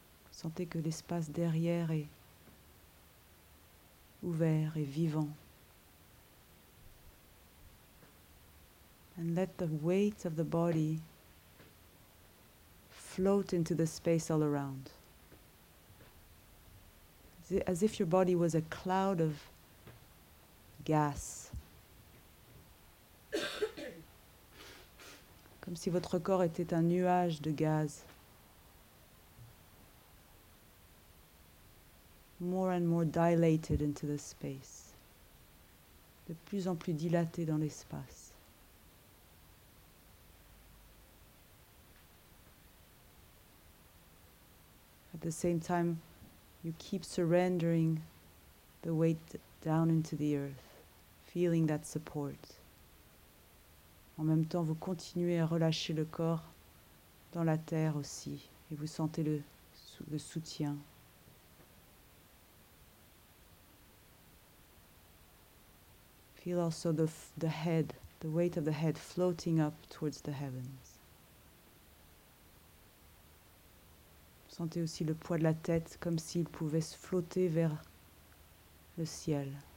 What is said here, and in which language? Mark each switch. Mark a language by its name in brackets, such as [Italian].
[French] Sentez que l'espace derrière est ouvert et vivant. [English] And let the weight of the body float into the space all around. As if your body was a cloud of gas. [French] Comme si votre corps était un nuage de gaz. [English] More and more dilated into the space. [French] De plus en plus dilaté dans l'espace. [English] At the same time, you keep surrendering the weight down into the earth, feeling that support. [French] En même temps, vous continuez à relâcher le corps dans la terre aussi, et vous sentez le soutien. [English] Feel also the head, the weight of the head floating up towards the heavens. [French] Sentez aussi le poids de la tête comme s'il pouvait se flotter vers le ciel.